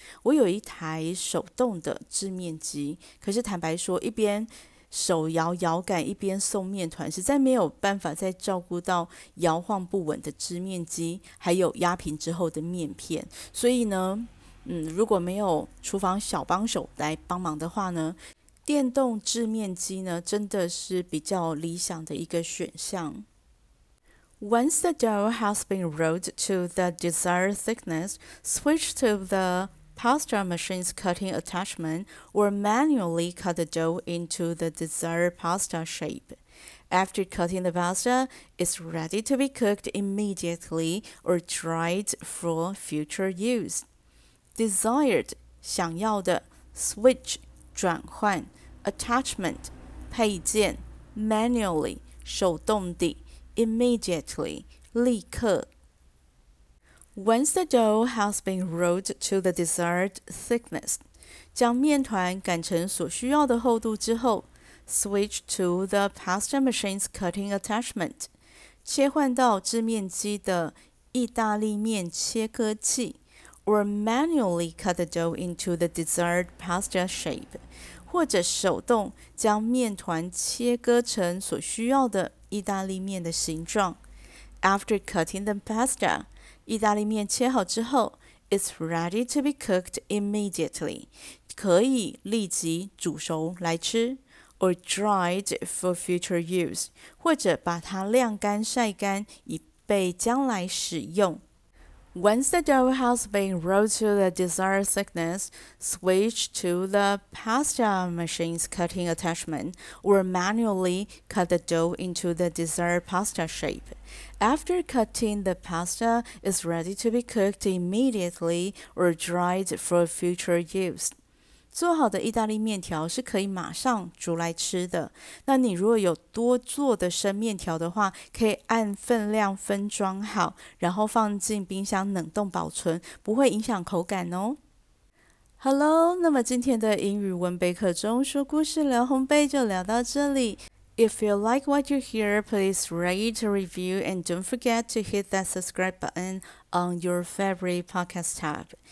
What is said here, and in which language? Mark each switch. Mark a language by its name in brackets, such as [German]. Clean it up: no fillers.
[Chinese] 我有一台手动的制面机，可是坦白说，一边手摇摇杆一边送面团，实在没有办法再照顾到摇晃不稳的制面机，还有压平之后的面片。所以呢，如果没有厨房小帮手来帮忙的话呢，电动制面机呢，真的是比较理想的一个选项。 [English] Once the dough has been rolled to the desired thickness, switch to the pasta machine's cutting attachment or manually cut the dough into the desired pasta shape. After cutting the pasta, it's ready to be cooked immediately or dried for future use. Desired, 想要的, switch, 转换, attachment, 配件, manually, 手动地, immediately, 立刻。 Once the dough has been rolled to the desired thickness, [Chinese] 将面团擀成所需要的厚度之后, [English] switch to the pasta machine's cutting attachment, [Chinese] 切换到制面机的意大利面切割器, [English] or manually cut the dough into the desired pasta shape, [Chinese] 或者手动将面团切割成所需要的意大利面的形状。 [English] After cutting the pasta, [Chinese] 意大利面切好之后 [English] ，It's ready to be cooked immediately， [Chinese] 可以立即煮熟来吃 [English] ，or dried for future use， [Chinese] 或者把它晾干晒干，以备将来使用。 [English] Once the dough has been rolled to the desired thickness, switch to the pasta machine's cutting attachment or manually cut the dough into the desired pasta shape. After cutting, the pasta is ready to be cooked immediately or dried for future use. [Chinese] 做好的意大利面条是可以马上煮来吃的。那你如果有多做的生面条的话，可以按分量分装好，然后放进冰箱冷冻保存，不会影响口感哦。 Hello， 那么今天的英语文备课中说故事聊烘焙就聊到这里。 [English] If you like what you hear, please rate, review, and don't forget to hit that subscribe button on your favorite podcast tab.